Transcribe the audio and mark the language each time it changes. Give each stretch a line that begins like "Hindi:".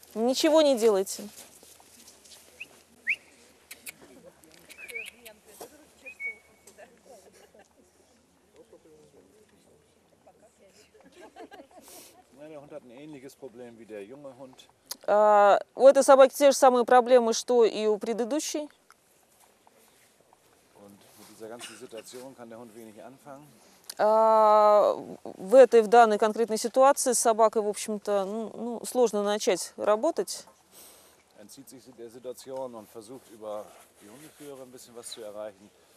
Russian: Ничего не делайте. Мой
German: Hund hat ein ähnliches Problem wie der junge Hund.
Russian: У этой собаки те же самые проблемы, что и у предыдущей. В данной конкретной ситуации с собакой, в общем-то, ну, сложно начать работать.
German: Er entzieht sich der Situation und versucht über die Hundeführer ein bisschen was zu erreichen.